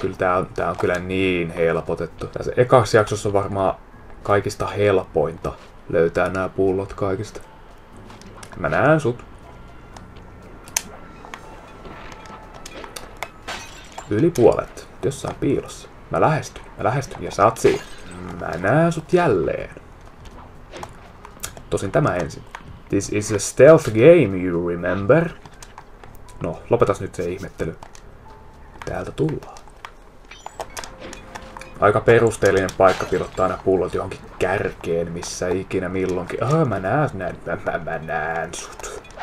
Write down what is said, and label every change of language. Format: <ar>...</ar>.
<fi>Kyllä tää on kyllä niin helpotettu. Tässä ekassa jaksossa on varmaan kaikista helpointa löytää nämä pullot kaikista. Mä näen sut. 1/2. Jossain piilossa. Mä lähestyn ja sä oot siinä. Mä näen sut jälleen. Tosin tämä ensin.</fi> <en>This is a stealth game, you remember?</en> <fi>No, lopetas nyt se ihmettely. Täältä tullaan. Aika perusteellinen paikka pilottaa aina pullot johonkin kärkeen, missä ikinä milloinkin. Mä näen sut.</fi>